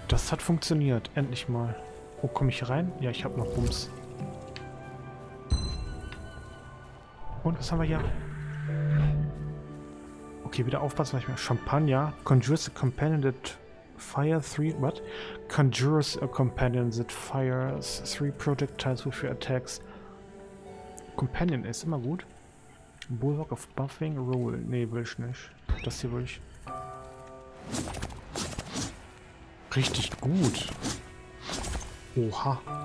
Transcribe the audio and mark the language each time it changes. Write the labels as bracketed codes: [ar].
[de] Hat funktioniert. Endlich mal. Wo komme ich rein? Ja, ich habe noch Bums. Und was haben wir hier? Okay, wieder aufpassen, weil ich mir. Champagner. [en] Conjures a companion that fire three. What? Conjures a companion that fires three projectiles with your attacks. [de] Companion ist immer gut. Bulwark of Buffing Roll. Nee, will ich nicht. Das hier will ich. Richtig gut. Oha.